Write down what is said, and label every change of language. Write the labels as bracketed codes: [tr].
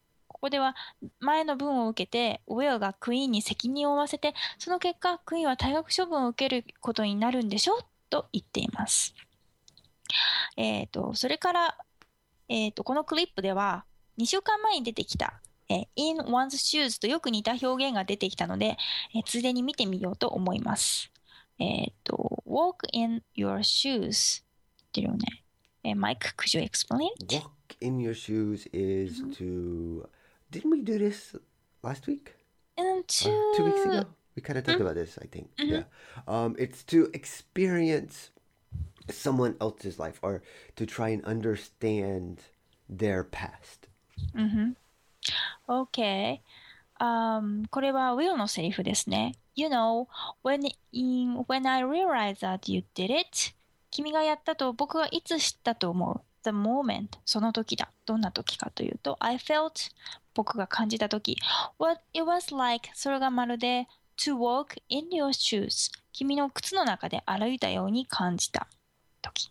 [ja] ここでは前の文を受けて Will がクイーンに責任を負わせて、その結果クイーンは退学処分を受けることになるんでしょうと言っています。それから、このクリップでは2週間前に出てきた、In one's shoes とよく似た表現が出てきたので、ついでに見てみようと思います。 [en] Walk in your shoesMike, could you explain it? Walk in your shoes is、mm-hmm. to... Didn't we do this last week? To... 2 weeks ago? We kind of talked、mm-hmm. about this, I think.、Mm-hmm. Yeah. It's to experience someone else's life or to try and understand their past.、 [ja] Mm-hmm. Okay.、これは Will のセリフですね。 [en] You know, when I realized that you did it... [ja] 君がやったと僕はいつ知ったと思う。 [en] The moment、 [ja] その時だ。どんな時かというと [en] I felt、 [ja] 僕が感じた時。 [en] What it was like、 [ja] それがまるで [en] To walk in your shoes、 [ja] 君の靴の中で歩いたように感じた時。